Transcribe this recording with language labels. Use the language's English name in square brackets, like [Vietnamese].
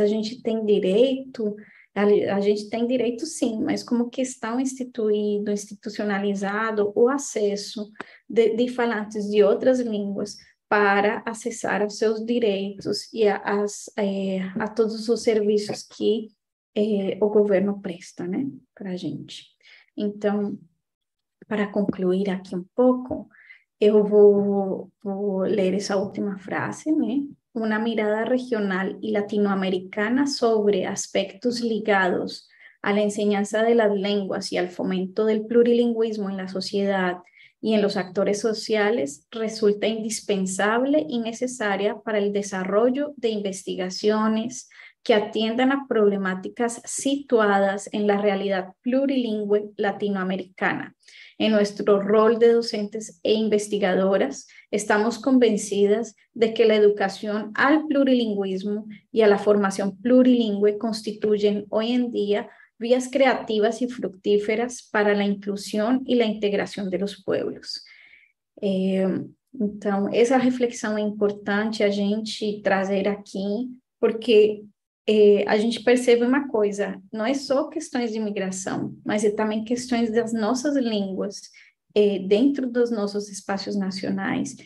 [Portuguese] A gente tem direito? A gente tem direito, sim, mas como que estão instituído, institucionalizado o acesso de falantes de outras línguas para acessar os seus direitos e a todos os serviços que o governo presta, né, para a gente. Então, para concluir aqui um pouco, eu vou ler essa última frase, né? [Spanish] Una mirada regional y latinoamericana sobre aspectos ligados a la enseñanza de las lenguas y al fomento del plurilingüismo en la sociedad y en los actores sociales resulta indispensable y necesaria para el desarrollo de investigaciones que atiendan a problemáticas situadas en la realidad plurilingüe latinoamericana. En nuestro rol de docentes e investigadoras, estamos convencidas de que la educación al plurilingüismo y a la formación plurilingüe constituyen hoy en día vías creativas y fructíferas para la inclusión y la integración de los pueblos. [Portuguese] Então, essa reflexão é importante a gente trazer aqui, porque a gente percebe uma coisa: não é só questões de imigração, mas é também questões das nossas línguas dentro dos nossos espaços nacionais.